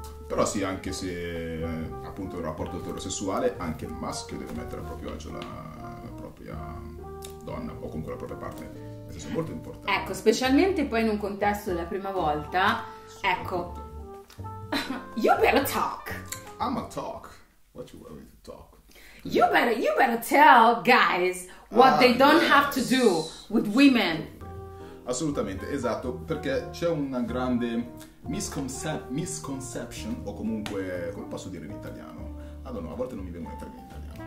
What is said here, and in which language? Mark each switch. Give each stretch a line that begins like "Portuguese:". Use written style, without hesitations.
Italian: Però sì, anche se appunto un rapporto eterosessuale, anche il maschio deve mettere a proprio agio la propria donna o comunque la propria partner. Questo è molto importante. Ecco, specialmente poi in un contesto della prima volta, ecco.
English: You better talk. I'm a talk. What you want me to talk? You better tell guys what they don't have to do with women.
Italian: Assolutamente, esatto, perché c'è una grande misconception, o comunque, come posso dire in italiano?
English: I don't know,
Italian: a volte non mi vengono i termini in italiano.